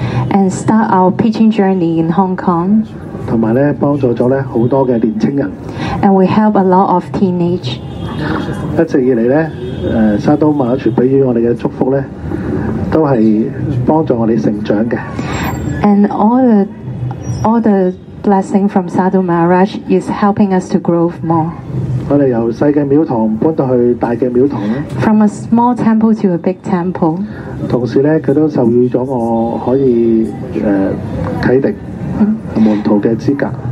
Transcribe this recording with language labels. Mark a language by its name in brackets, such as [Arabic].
[English] And start our preaching journey in Hong Kong [Chinese] 還有幫助了很多的年輕人 [English] And we help a lot of teenage [Chinese] 一直以來呢沙都馬傳給予我們的祝福呢都是幫助我們成長的 [English] And all the blessing from Sadhu Maharaj is helping us to grow more [Chinese] 我們由小的廟堂搬到去大的廟堂 [English] From a small temple to a big temple [Chinese] 同時呢他都授予了我可以啟迪門徒的資格